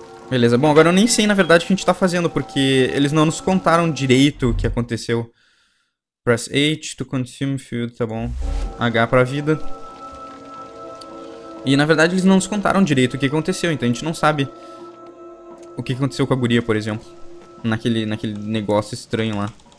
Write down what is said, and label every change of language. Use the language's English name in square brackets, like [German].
[Portuguese] Beleza, bom, agora eu nem sei na verdade o que a gente tá fazendo, porque eles não nos contaram direito o que aconteceu. [English] Press H to consume food, [Portuguese] tá bom. H pra vida. E na verdade eles não nos contaram direito o que aconteceu, então a gente não sabe o que aconteceu com a guria, por exemplo. Naquele negócio estranho lá.